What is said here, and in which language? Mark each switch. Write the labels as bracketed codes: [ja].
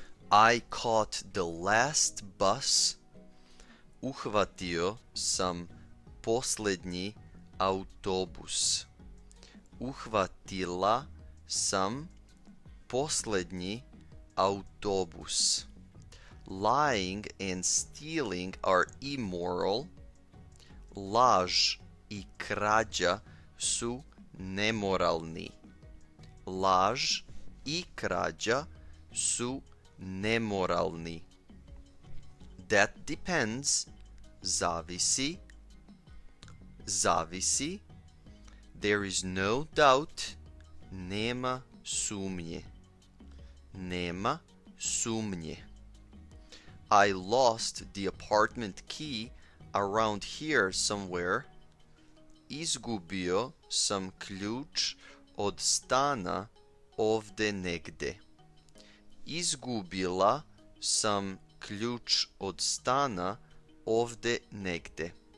[en] I caught the last bus. [sr] Uhvatio sam poslednji autobus. Uhvatila sam poslednji autobus. [en] Lying and stealing are immoral. [sr] Laž i krađa su nemoralni. Laž i krađa su nemoralni. [en] That depends. [sr] Zavisi. Zavisi. [en] There is no doubt. [sr] Nema sumnje. Nema sumnje. [en] I lost the apartment key around here somewhere. [sr] Izgubio sam ključ od stana ovde negde. Izgubila sam ključ od stana ovde negde.